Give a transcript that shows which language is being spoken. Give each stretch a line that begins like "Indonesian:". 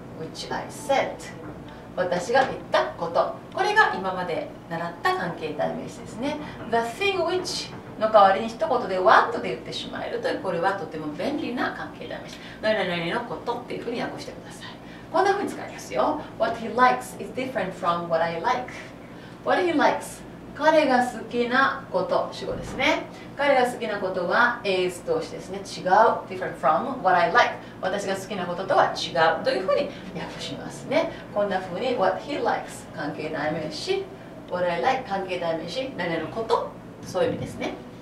English: Which I said。
Japanese: 私が言ったこと。これが今まで習った関係代名詞ですね。
English: The thing which
Japanese: の代わりに一言で What で言ってしまえるという、これはとても便利な関係代名詞。何々のことっていうふうに訳してください。こんなふうに使いますよ。
English: What he likes is different from what I like. What he likes。
Japanese: 彼が好きなこと、主語ですね。彼が好きなことは is 動詞ですね。違う、
English: different from what I like、
Japanese: 私が好きなこととは違うというふうに訳しますね。こんなふうに
English: what he likes
Japanese: 関係代名詞、
English: what I like
Japanese: 関係代名詞、何々のこと、そういう意味ですね。